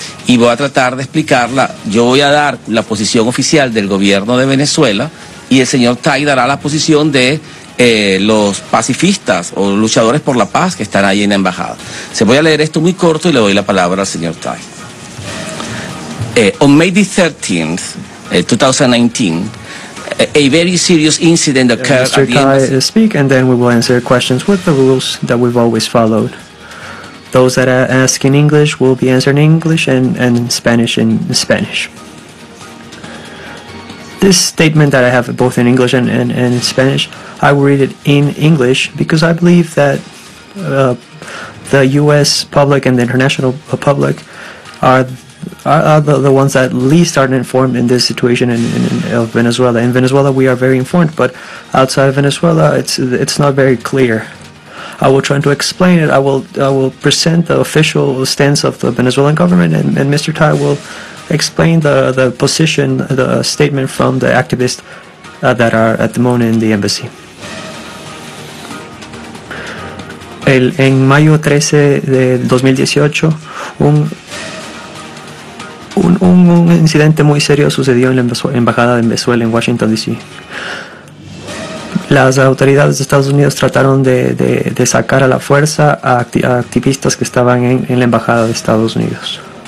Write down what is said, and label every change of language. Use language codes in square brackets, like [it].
[es] Y voy a tratar de explicarla. Yo voy a dar la posición oficial del gobierno de Venezuela y el señor Tai dará la posición de los pacifistas o luchadores por la paz que están ahí en la embajada. Se voy a leer esto muy corto y le doy la palabra al señor Tai. [en] On May the 13th, 2019, a very serious incident occurred. Mr. Tai, speak, and then we will answer questions with the rules that we've always followed. Those that ask in English will be answered in English, and Spanish in Spanish. This statement that I have both in English and in Spanish, I will read it in English because I believe that the U.S. public and the international public are the ones that least aren't informed in this situation of Venezuela. In Venezuela, we are very informed, but outside of Venezuela, it's not very clear. I will try to explain it. I will present the official stance of the Venezuelan government, and Mr. Tai will explain the position, the statement from the activists that are at the moment in the embassy. [es] En mayo 13 de 2018, un incidente muy serio sucedió en la embajada de Venezuela en Washington, D.C. Las autoridades de Estados Unidos trataron de sacar a la fuerza a activistas que estaban en la embajada de Estados Unidos.